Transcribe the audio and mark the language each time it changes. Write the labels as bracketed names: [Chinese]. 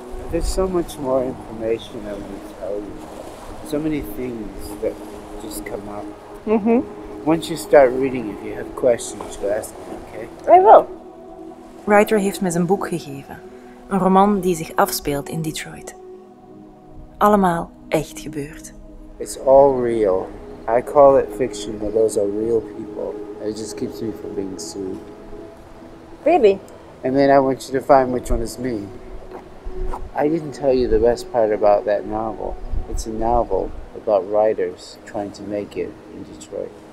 [English] There's so much more information I want to tell you. So many things that just come up. Mm-hmm. Once you start reading, if you have questions, you ask me, okay? I will. [Dutch] Ryder heeft me zijn boek gegeven. Een roman die zich afspeelt in Detroit. Allemaal echt gebeurd. [English] It's all real. I call it fiction, but those are real people. And it just keeps me from being sued. Really? And then I want you to find which one is me. I didn't tell you the best part about that novel. It's a novel about writers trying to make it in Detroit.